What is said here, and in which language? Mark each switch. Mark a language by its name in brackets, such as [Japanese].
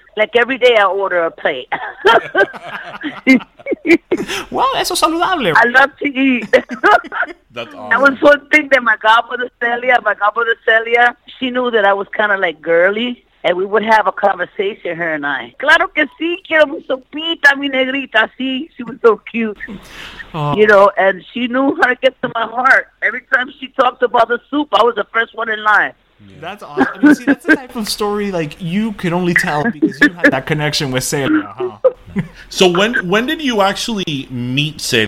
[English] Like, every day I order a plate. [Spanish] Well, eso es saludable. [English] I love to eat. That's awesome. That was one thing that my godmother Celia, she knew that I was kind of like girly, and we would have a conversation, her and I. [Spanish] Claro que sí, quiero mi sopita, mi negrita, sí. [English] She was so cute. You know, and she knew how to get to my heart. Every time she talked about the soup, I was the first one in line. Yeah. That's awesome. I mean, see, that's the type of story like you can only tell because you had that connection with Celia, huh? So when did you actually meet Celia?